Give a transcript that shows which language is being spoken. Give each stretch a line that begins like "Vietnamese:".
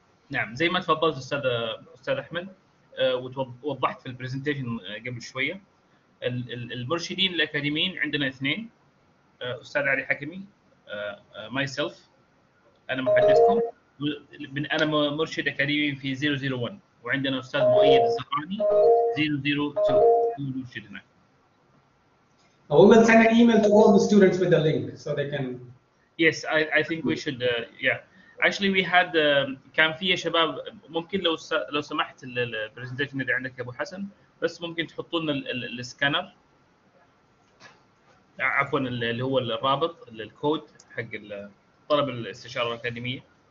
Arabic: نعم زي ما تفضلت استاذ احمد ووضحت في البرزنتيشن قبل شويه المرشدين الاكاديميين عندنا 2 استاذ علي حكمي
English: myself
Arabic: انا محدثكم انا مرشد اكاديمي في 001 وعندنا استاذ مؤيد الزهراني 002 مرشد هناك.
English: I will send an email to all the students with the link so they can Yes, I think we should, yeah. Actually, we had
Arabic: كان في شباب ممكن لو سمحت البرزنتيشن اللي عندك يا ابو حسن بس ممكن تحطوا لنا السكانر عفوا اللي هو الرابط الكود حق طلب الاستشاره الاكاديميه.